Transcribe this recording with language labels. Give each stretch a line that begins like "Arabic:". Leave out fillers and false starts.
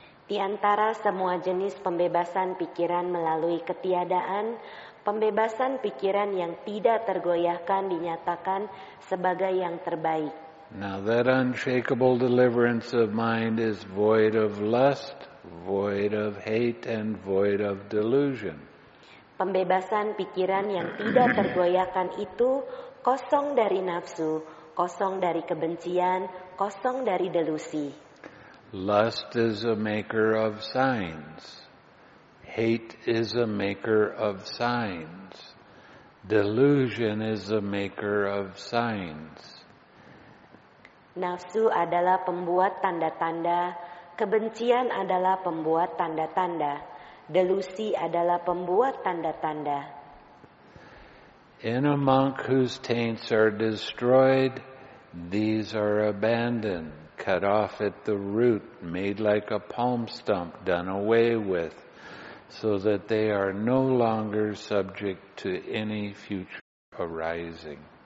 Indonesian: Di antara semua jenis pembebasan pikiran melalui ketiadaan, pembebasan pikiran yang tidak tergoyahkan dinyatakan sebagai yang terbaik.
English: Now that unshakable deliverance of mind is void of lust, void of hate, and void of delusion.
Indonesian: Pembebasan pikiran yang tidak tergoyahkan itu kosong dari nafsu, kosong dari kebencian, kosong dari delusi.
English: Lust is a maker of signs. Hate is a maker of signs. Delusion is a maker of signs.
Indonesian: Nafsu adalah pembuat tanda-tanda, kebencian adalah pembuat tanda-tanda. Delusi adalah pembuat tanda-tanda.
English: In a monk whose taints are destroyed, these are abandoned, cut off at the root, made like a palm stump, done away with, so that they are no longer subject to any future arising.